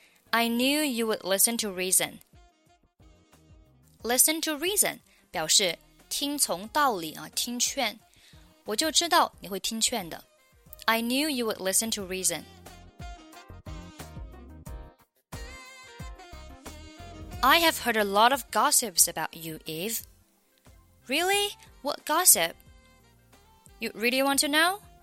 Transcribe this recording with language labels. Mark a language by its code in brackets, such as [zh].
[en] I knew you would listen to reason. Listen to reason [zh] 表示听从道理啊，听劝。我就知道你会听劝的。 [en] I knew you would listen to reason. I have heard a lot of gossips about you, Eve. Really? What gossip? You really want to know?